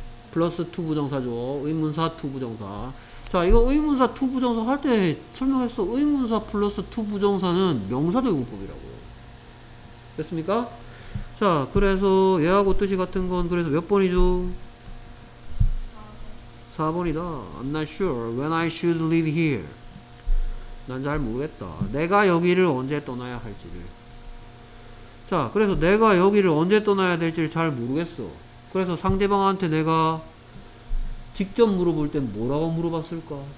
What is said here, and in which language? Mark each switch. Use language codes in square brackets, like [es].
[ko] 플러스 투 부정사죠. 의문사 투 부정사. 자, 이거 의문사 투 부정사 할 때 설명했어. 의문사 플러스 투 부정사는 명사제공법이라고요. 됐습니까? 자, 그래서 얘하고 뜻이 같은 건 그래서 몇 번이죠? 4번이다. [en] I'm not sure when I should leave here. [ko] 난 잘 모르겠다. 내가 여기를 언제 떠나야 할지를. 자, 그래서 내가 여기를 언제 떠나야 될지를 잘 모르겠어. 그래서 상대방한테 내가 직접 물어볼 땐 뭐라고 물어봤을까?